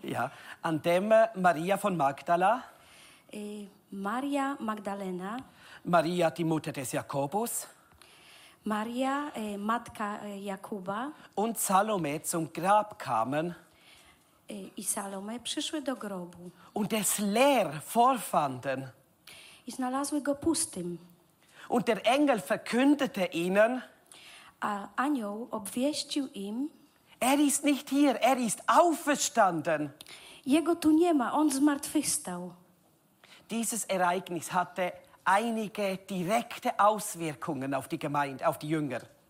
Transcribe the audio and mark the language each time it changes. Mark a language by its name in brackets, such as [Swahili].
[German] Ja, an dem Maria von Magdala. Maria Magdalena. Maria, die Mutter des Jakobus. [Polish] Maria, matka Jakuba. [German] Und Salome zum Grab kamen. [Polish] I Salome przyszły do grobu. [German] Und es leer vorfanden. [Polish] I znalazły go pustym. [German] Und der Engel verkündete ihnen. [Polish] A anioł obwieścił im. [German] Er ist nicht hier, er ist auferstanden. [Polish] Jego tu nie ma, on zmartwychwstał. [German] Dieses Ereignis hatte einige direkte Auswirkungen auf die Gemeinde, auf die Jünger.